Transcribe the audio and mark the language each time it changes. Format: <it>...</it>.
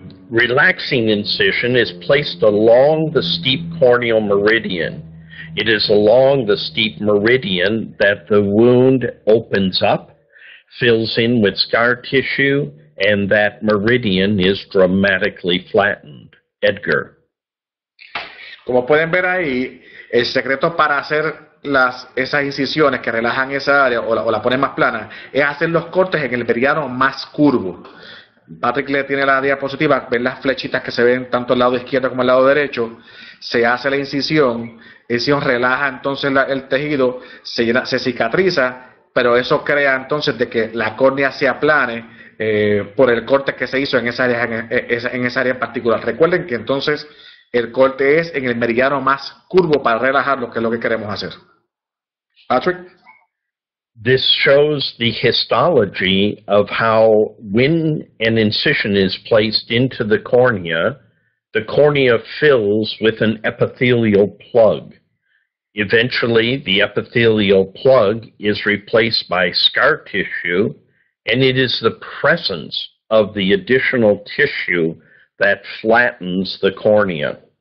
<en>Relaxing incision is placed along the steep corneal meridian. It is along the steep meridian that the wound opens up, fills in with scar tissue, and that meridian is dramatically flattened. Edgar.</en> <es>Como pueden ver ahí, el secreto para hacer esas incisiones que relajan esa área o la ponen más plana es hacer los cortes en el meridiano más curvo. Patrick le tiene la diapositiva, ven las flechitas que se ven tanto al lado izquierdo como al lado derecho, se hace la incisión, relaja entonces el tejido, se cicatriza, pero eso crea entonces de que la córnea se aplane por el corte que se hizo en esa área en particular. Recuerden que entonces el corte es en el meridiano más curvo para relajarlo, que es lo que queremos hacer. Patrick.</es> <en>This shows the histology of how when an incision is placed into the cornea fills with an epithelial plug. Eventually, the epithelial plug is replaced by scar tissue, and it is the presence of the additional tissue that flattens the cornea.</en>